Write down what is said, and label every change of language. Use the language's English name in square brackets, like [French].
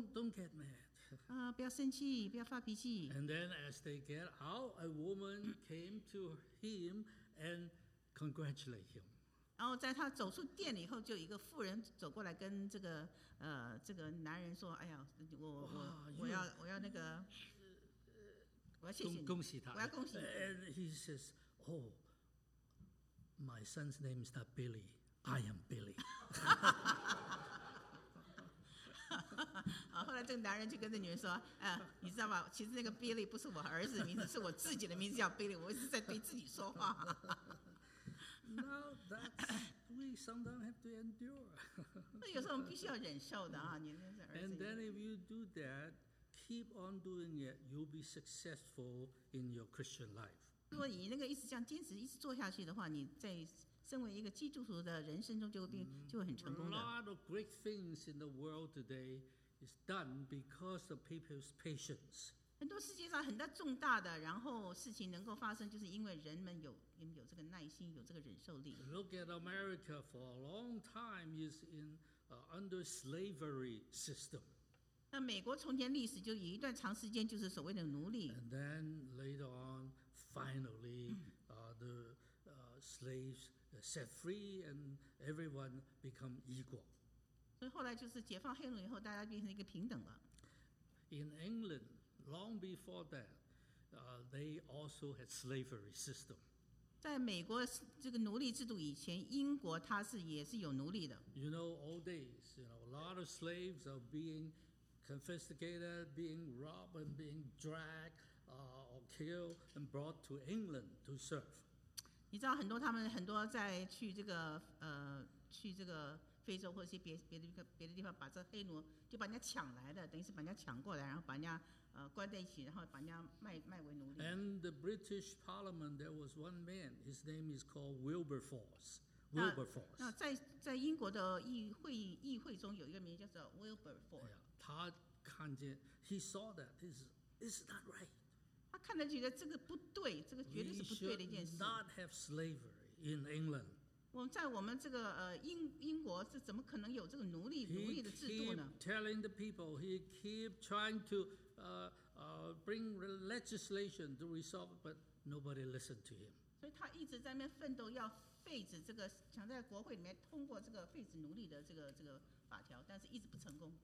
[English] Don't get mad. [Chinese] 不要生气，不要发脾气。 [English] And then as they get out, a woman came to him and congratulated him. [Chinese] 然后在他走出店里以后，就一个妇人走过来跟这个男人说：“哎呀，我要谢谢你，恭喜他，我要恭喜你。” [English] And he says, "Oh, my son's name is not Billy. I am Billy." [Chinese] 好，后来这个男人就跟这女人说：“你知道吗？其实那个 Billy 不是我儿子的名字，是我自己的名字叫 Billy。我是在对自己说话。” [English] Now that we sometimes have to endure. [Chinese] 那有时候我们必须要忍受的啊，你们儿子。 [English] And then if you do that, keep on doing it, you'll be successful in your Christian life. [Chinese] 如果你那个一直这样坚持，一直做下去的话，你在身为一个基督徒的人生中就会很成功的。 [English] A lot of great things in the world today is done because of people's patience. [Chinese] 很多世界上很大重大的然后事情能够发生就是因为人们有这个耐心有这个忍受力 [English] Look at America for a long time is in under slavery system [Chinese] 那美国从前历史就有一段长时间就是所谓的奴隶 [English] And then later on finally the slaves set free and everyone become equal [Chinese] 所以后来就是解放黑奴以后大家变成一个平等了 [English] In EnglandLong before that, they also had slavery system. [Chinese] 在美国这个奴隶制度以前，英国它是也是有奴隶的。 [English] You know, old days, you know, a lot of slaves are being confiscated, being robbed, and being dragged, or killed, and brought to England to serve. [Chinese] 你知道很多他们很多在去这个去这个。非洲或者是别的地方，把这黑奴就把人家抢来的，等于是把人家抢过来，然后把人家关在一起，然后把人家卖为奴隶。 [English] And the British Parliament, there was one man, his name is called Wilberforce. Wilberforce. [Chinese] 那在英国的议会中有一个名叫做 Wilberforce。 [English] Yeah, [Chinese] 他看见 [English] ，he saw that this is not right. [Chinese] 他看了觉得这个不对，这个绝对是不对的一件事。 [English] We should not have slavery in England. [Chinese] 在我们这个英国是怎么可能有这个奴隶的制度呢 [English] He keep telling the people, he keep trying to bring legislation to resolve, but nobody listened to him. [Chinese] 所以他一直在那边奋斗，要废止这个，想在国会里面通过这个废止奴隶的这个法条，但是一直不成功。